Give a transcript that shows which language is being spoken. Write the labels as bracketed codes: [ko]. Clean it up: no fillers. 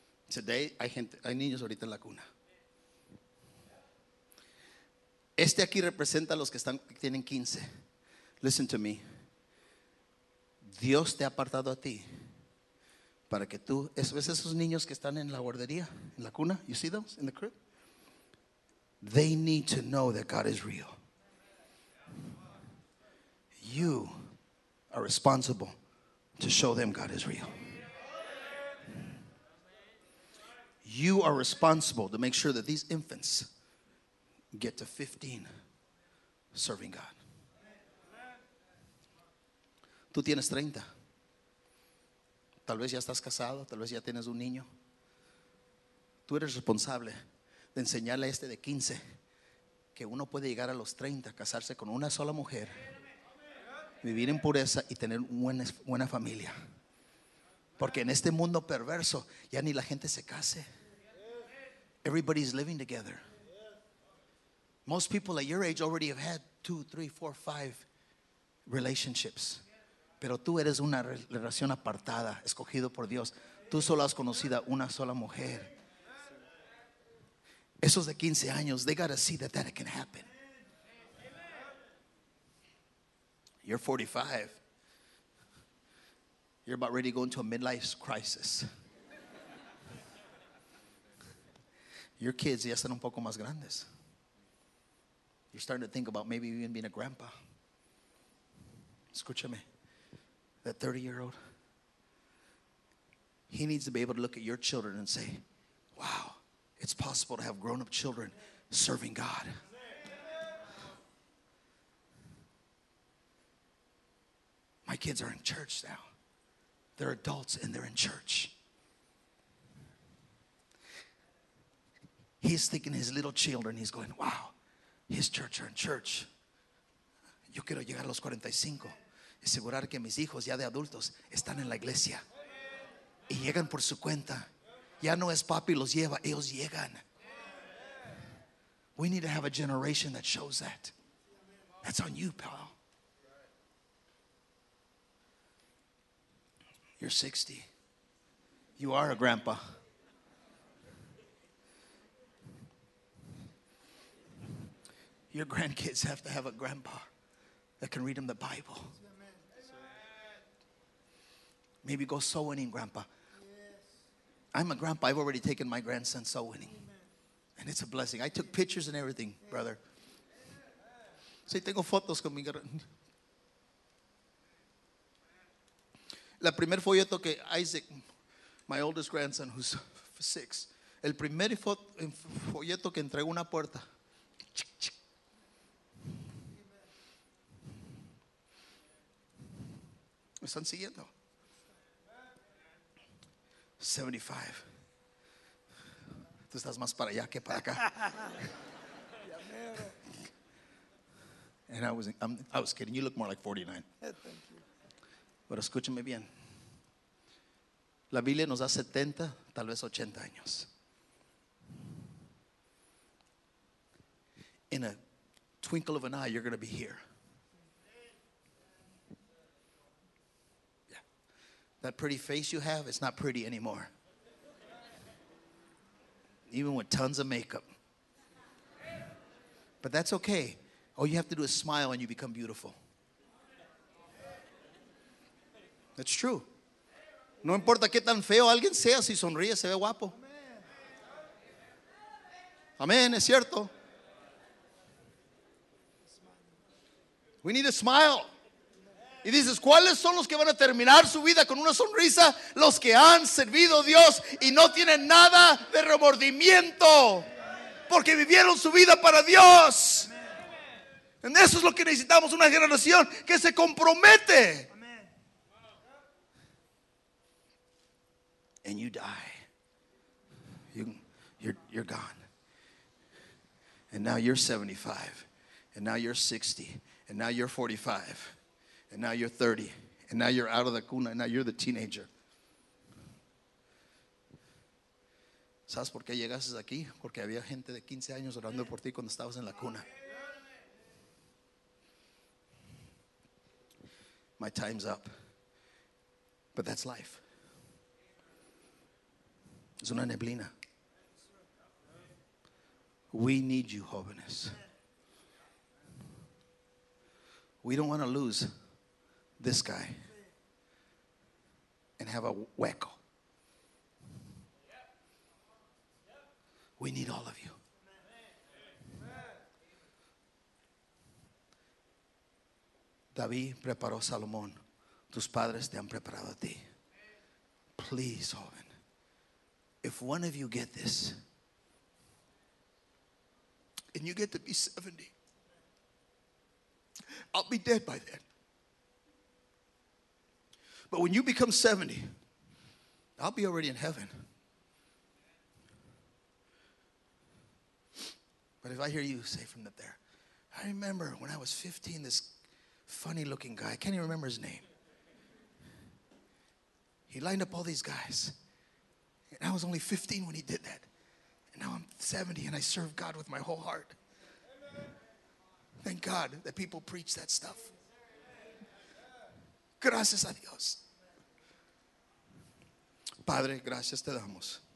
[es] Today, hay niños ahorita en la cuna. Este aquí representa a los que están, tienen 15. [en] Listen to me. [es] Dios te ha apartado a ti para que tú, ¿ves esos niños que están en la guardería, en la cuna? [en] You see those in the crib? They need to know that God is real. You are responsible to show them God is real. You are responsible to make sure that these infants get to 15 serving God. [es] Tú tienes 30. Tal vez ya estás casado, tal vez ya tienes un niño. Tú eres responsable de enseñarle a este de 15 que uno puede llegar a los 30, casarse con una sola mujer, vivir en pureza y tener buena familia. Porque en este mundo perverso ya ni la gente se case. [en] Everybody's living together. Most people at your age already have had 2, 3, 4, 5 relationships. [es] Pero tú eres una relación apartada, escogido por Dios. Tú solo has conocido una sola mujer. Esos de 15 años, [en] they got to see that can happen. You're 45. You're about ready to go into a midlife crisis. Your kids [es] ya están un poco más grandes. [en] You're starting to think about maybe even being a grandpa. [es] Escúchame. [en] That 30-year-old, he needs to be able to look at your children and say, wow, it's possible to have grown-up children serving God. My kids are in church now. They're adults and they're in church. He's thinking his little children, he's going, wow, his church are in church. [es] Yo quiero llegar a los 45. Asegurar que mis hijos ya de adultos están en la iglesia y llegan por su cuenta. Ya no es papi los lleva, ellos llegan. [en] We need to have a generation that shows that. That's on you, pal. You're 60. You are a grandpa. Your grandkids have to have a grandpa that can read them the Bible. Maybe go soul winning, grandpa. Yes. I'm a grandpa. I've already taken my grandson soul winning. Amen. And it's a blessing. I took pictures and everything, yeah. Brother. [es] Sí, tengo fotos con mi grandpa. La primer folleto que Isaac, [en] my oldest grandson, who's 6. [es] El primer folleto que entregó una puerta. Me están siguiendo. 75. Tú estás más para allá que para acá. [en] And I was kidding. You look more like 49. Thank you. [es] Pero escúchame bien. La Biblia nos da 70, tal vez 80 años. [en] In a twinkle of an eye, you're going to be here. Yeah. That pretty face you have, it's not pretty anymore. Even with tons of makeup. But that's okay. All you have to do is smile and you become beautiful. That's true. [es] No importa qué tan feo alguien sea, si sonríe, se ve guapo. Amén, es cierto. [en] We need a smile. [es] Y dices, ¿cuáles son los que van a terminar su vida con una sonrisa? Los que han servido a Dios y no tienen nada de remordimiento, porque vivieron su vida para Dios. En eso es lo que necesitamos, una generación que se compromete. [en] And you die. You're gone. And now you're 75. And now you're 60. And now you're 45. And now you're 30. And now you're out of the cuna. And now you're the teenager. [es] ¿Sabes por qué llegaste aquí? Porque había gente de 15 años orando por ti cuando estabas en la cuna. [en] My time's up. But that's life. [es] Es una neblina. [en] We need you, jóvenes. We don't want to lose this guy and have a hueco. We need all of you. [es] David preparó Salomón. Tus padres te han preparado a ti. [en] Please, joven, if one of you get this and you get to be 70, I'll be dead by then. But when you become 70, I'll be already in heaven. But if I hear you say from there, I remember when I was 15, this funny looking guy, I can't even remember his name. He lined up all these guys. And I was only 15 when he did that. And now I'm 70 and I serve God with my whole heart. Thank God that people preach that stuff. [es] Gracias a Dios. Padre, gracias te damos.